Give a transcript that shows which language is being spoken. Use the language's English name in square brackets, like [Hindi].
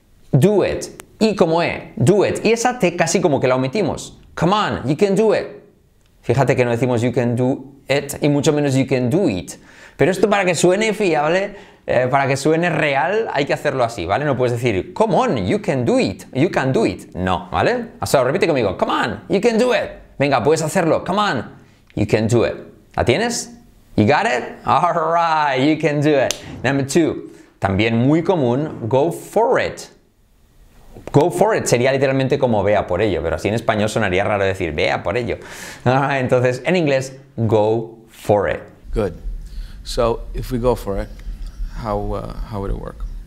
[Spanish] do it, y como e, do it, y esa t casi como que la omitimos, [English] come on, you can do it, [Spanish] fíjate que no decimos [English] you can do it, [Spanish] y mucho menos you can do it, pero esto para que suene fiable, para que suene real, hay que hacerlo así, ¿vale? No puedes decir, [English] come on, you can do it, you can do it. No, ¿vale? [Spanish] O sea, repite conmigo, [English] come on, you can do it. [Spanish] Venga, puedes hacerlo, [English] come on, you can do it. [Spanish] ¿La tienes? [English] You got it? All right, you can do it. Number two, [Spanish] también muy común, [English] go for it. [Spanish] Go for it sería literalmente como vea por ello, pero así en español sonaría raro decir vea por ello. Entonces, en inglés, [English] go for it. Good. So, if we go for it, how would it work?